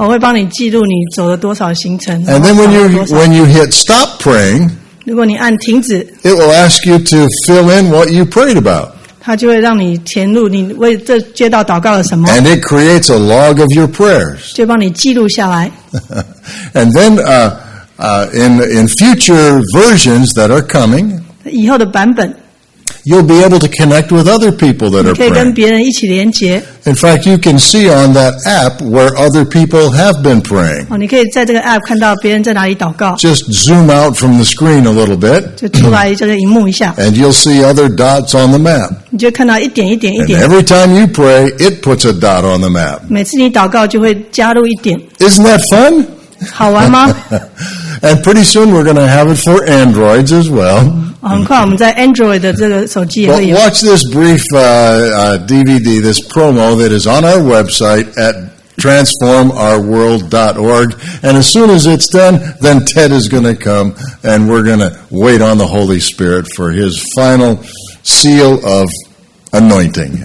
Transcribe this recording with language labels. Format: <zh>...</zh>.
<zh>会帮你记录你走了多少行程。</zh> <en>And then when you hit stop praying,</en> <zh>如果你按停止</zh> <en>it will ask you to fill in what you prayed about.</en> <zh>它就会让你填入你为这街道祷告了什么。</zh> <en>And it creates a log of your prayers.</en> <zh>就帮你记录下来。</zh> <en>And then, in future versions that are coming,</en> <zh>以后的版本。</zh> <en>You'll be able to connect with other people that are praying.</en> <zh>你可以跟别人一起连结。</zh> <en>In fact, you can see on that app where other people have been praying.</en> <zh>哦，你可以在这个 app 看到别人在哪里祷告。</zh> <en>Just zoom out from the screen a little bit.</en> <zh>就出来这个荧幕一下。</zh> <en>And you'll see other dots on the map.</en> <zh>你就看到一点一点一点。</zh> <en>And every time you pray, it puts a dot on the map.</en> <zh>每次你祷告就会加入一点。</zh> <en>Isn't that fun?</en> <zh>好玩吗？</zh> <en>And pretty soon we're going to have it for Androids as well.</en> <zh>很快我们在 Android 的这个手机也会有。</zh> <en>Well, watch this brief DVD, this promo that is on our website at transformourworld.org. And as soon as it's done, then Ted is going to come and we're going to wait on the Holy Spirit for his final seal of anointing.</en>